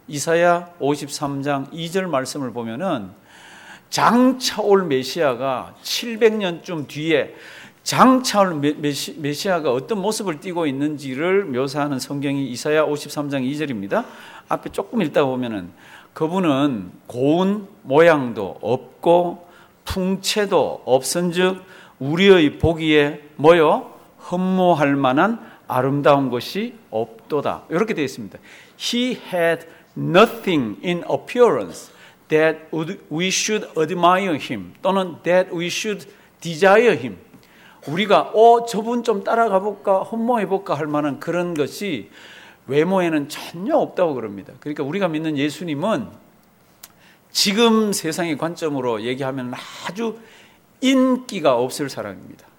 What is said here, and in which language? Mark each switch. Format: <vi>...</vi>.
<ko>이사야 53장 2절 말씀을 보면은 장차올 메시아가 700년쯤 뒤에 장차올 메시아가 어떤 모습을 띠고 있는지를 묘사하는 성경이 이사야 53장 2절입니다. 앞에 조금 읽다 보면은 그분은 고운 모양도 없고 풍채도 없은즉 우리의 보기에 뭐요? 흠모할 만한 아름다운 것이 없도다. 이렇게 되어 있습니다.</ko> <en>He had nothing in appearance that we should admire him</en> <ko>또는</ko> <en>that we should desire him.</en> <ko>우리가 저분 좀 따라가 볼까 흠모해 볼까 할 만한 그런 것이 외모에는 전혀 없다고 그럽니다. 그러니까 우리가 믿는 예수님은 지금 세상의 관점으로 얘기하면 아주 인기가 없을 사람입니다.</ko>